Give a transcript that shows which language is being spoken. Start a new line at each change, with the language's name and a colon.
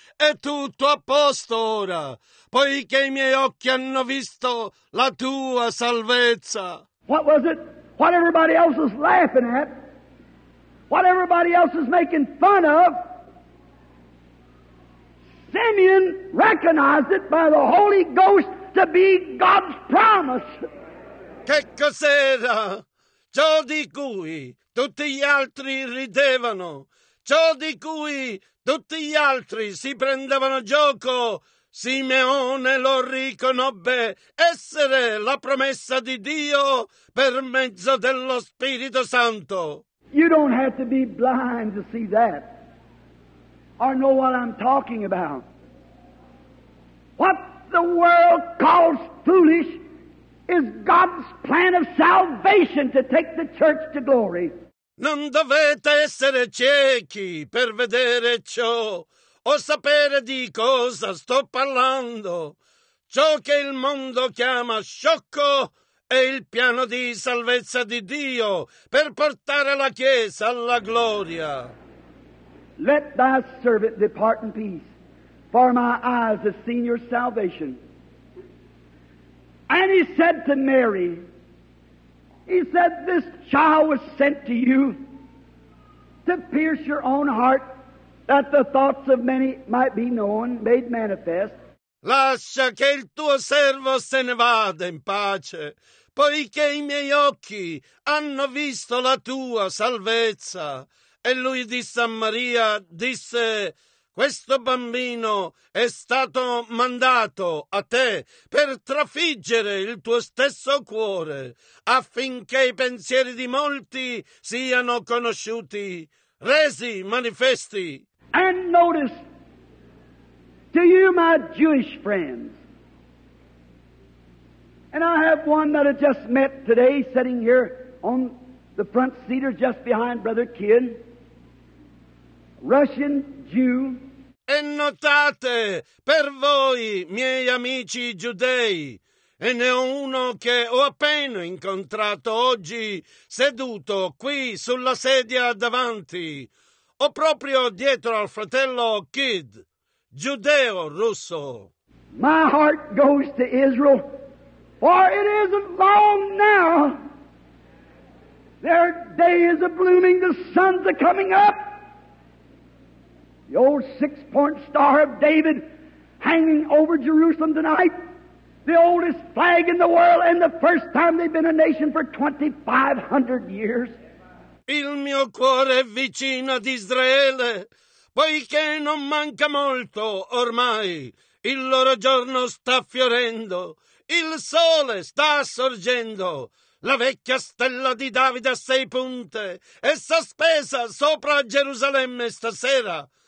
Italian: È tutto a posto ora, poiché i miei occhi hanno visto la tua salvezza.
English: What was it? What everybody else was laughing at? What everybody else is making fun of, Simeon recognized it by the Holy Ghost to be God's promise.
Italian: Che cos'era? Ciò di cui tutti gli altri ridevano, ciò di cui tutti gli altri si prendevano gioco, Simeone lo riconobbe essere la promessa di Dio per mezzo dello Spirito Santo.
English: You don't have to be blind to see that or know what I'm talking about. What the world calls foolish is God's plan of salvation to take the church to glory.
Italian: Non dovete essere ciechi per vedere ciò o sapere di cosa sto parlando. Ciò che il mondo chiama sciocco è il piano di salvezza di Dio per portare la Chiesa alla gloria.
English: Let thy servant depart in peace, for my eyes have seen your salvation. And he said to Mary, he said, this child was sent to you to pierce your own heart, that the thoughts of many might be known, made manifest.
Italian: Lascia che il tuo servo se ne vada in pace, poiché i miei occhi hanno visto la tua salvezza. E lui disse a Maria, disse, questo bambino è stato mandato a te per trafiggere il tuo stesso cuore, affinché i pensieri di molti siano conosciuti, resi manifesti.
English: And notice, to you my Jewish friends, and I have one that I just met today sitting here on the front seat or just behind Brother Kidd, Russian Jew.
Italian: E notate, per voi, miei amici giudei, e ne ho uno che ho appena incontrato oggi, seduto qui sulla sedia davanti, o proprio dietro al fratello Kidd, giudeo russo.
English: My heart goes to Israel, for it isn't long now. Their day is a blooming, the sun's a coming up. The old six-point star of David hanging over Jerusalem tonight. The oldest flag in the world and the first time they've been a nation for 2,500 years.
Italian: Il mio cuore è vicino ad Israele, poiché non manca molto ormai. Il loro giorno sta fiorendo, il sole sta sorgendo. La vecchia stella di Davide a sei punte è sospesa sopra Gerusalemme stasera.